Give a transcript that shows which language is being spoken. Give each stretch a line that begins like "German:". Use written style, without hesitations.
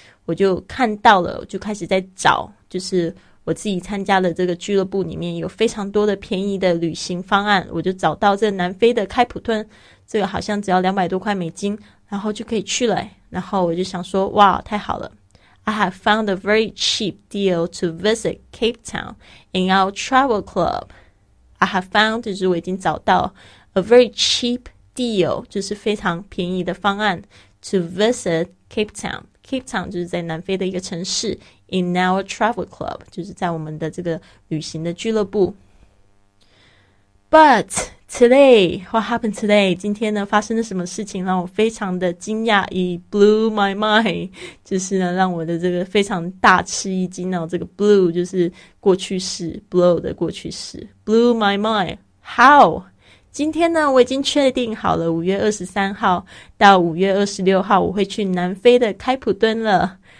Chinese: 我就看到了，就开始在找，就是我自己参加的这个俱乐部里面有非常多的便宜的旅行方案，我就找到这个南非的开普敦，这个好像只要200多块美金，然后就可以去了。然后我就想说，哇，太好了。
English: I have found a very cheap deal to visit Cape Town in our travel club. I have found,
Chinese: 就是我已经找到
English: a very cheap deal,
Chinese: 就是非常便宜的方案
English: to visit Cape Town.
Chinese: Cape Town 就是在南非的一个城市
English: in our travel club,
Chinese: 就是在我们的这个旅行的俱乐部。
English: But today, what happened today?
Chinese: 今天呢发生了什么事情让我非常的惊讶
English: It blew my mind.
Chinese: 就是呢让我的这个非常大吃一惊哦。这个 blew 就是过去式 blow 的过去式
English: blew my mind. How?
Chinese: 今天呢我已经确定好了5月23号到5月26号我会去南非的开普敦了。